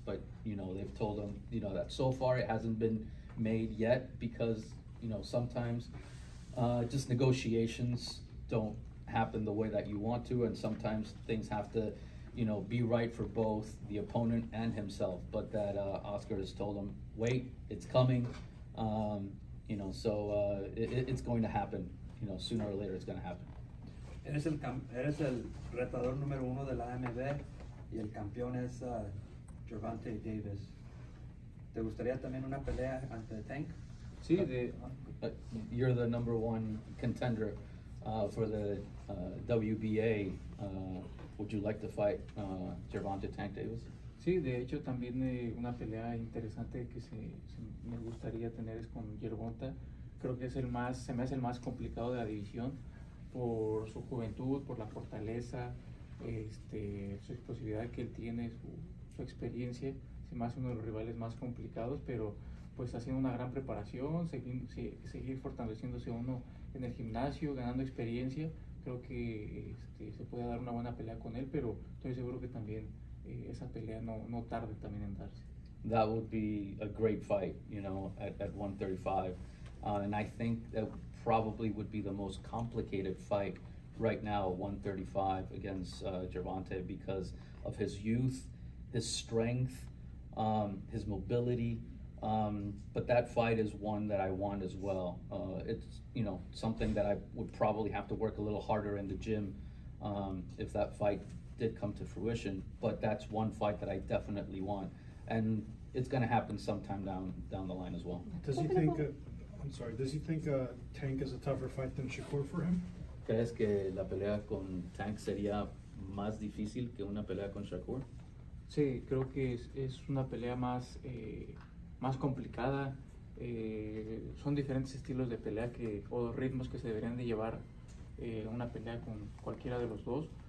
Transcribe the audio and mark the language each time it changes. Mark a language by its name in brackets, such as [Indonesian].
[English] But, you know, they've told him, you know, that so far it hasn't been made yet, because, you know, sometimes just negotiations don't happen the way that you want to, and sometimes things have to, you know, be right for both the opponent and himself. But that Oscar has told him, wait, it's coming, you know, so it's going to happen, you know, sooner or later it's going to happen. [Spanish] Eres el retador número uno de la AMB y el campeón es Gervonta Davis. ¿Te gustaría también una pelea ante Tank? Sí, [English] you're the number one contender for the WBA. Would you like to fight Gervonta Tank Davis? [Spanish] Sí, de hecho también una pelea interesante que se me gustaría tener es con Gervonta. Creo que se me hace el más complicado de la división, por su juventud, por la fortaleza, su explosividad que él tiene, su experiencia. Se me hace uno de los rivales más complicados, pero pues haciendo una gran preparación, seguir fortaleciéndose uno en el gimnasio, ganando experiencia, creo que se puede dar una buena pelea con él, pero estoy seguro que también esa pelea no tarde también en darse. [English] That would be a great fight, you know, at 135. And I think that probably would be the most complicated fight right now, 135 against Gervonta, because of his youth, his strength, his mobility. But that fight is one that I want as well. It's, you know, something that I would probably have to work a little harder in the gym if that fight did come to fruition. But that's one fight that I definitely want. And it's going to happen sometime down the line as well. Does he think Tank is a tougher fight than Shakur for him? [Spanish] ¿Crees que la pelea con Tank sería más difícil que una pelea con Shakur? Sí, creo que es una pelea más más complicada. Son diferentes estilos de pelea o ritmos que se deberían de llevar una pelea con cualquiera de los dos.